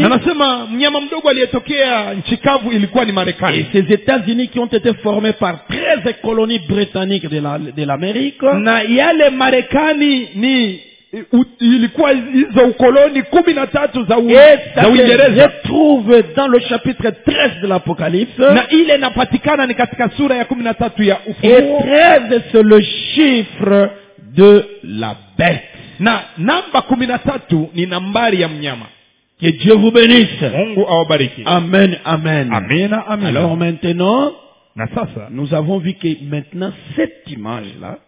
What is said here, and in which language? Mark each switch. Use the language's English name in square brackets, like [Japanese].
[Swahili] Na nasema mnyama mdogo aliyetokea nchikavu ilikuwa ni Marekani. [French] Et ces États-Unis qui ont été formés par 13 colonies britanniques de l'Amérique. [Swahili] Na yale Marekani ni ilikuwa hizo ukoloni 13 za Uingereza. [French] Et trouve dans le chapitre 13 de l'Apocalypse. [Swahili] Na ile inapatikana ni katika sura ya 13 ya Ufunuo. [French] Et 13 c'est le chiffre de la bête. [Swahili] Na namba 13 ni nambari ya mnyama. [French] Que Dieu vous bénisse. [Swahili] Mungu awabariki. [French] Amen, amen. [Swahili] Amina, amina. [French] Alors maintenant, [Swahili] na sasa, [French] nous avons vu que maintenant cette image là,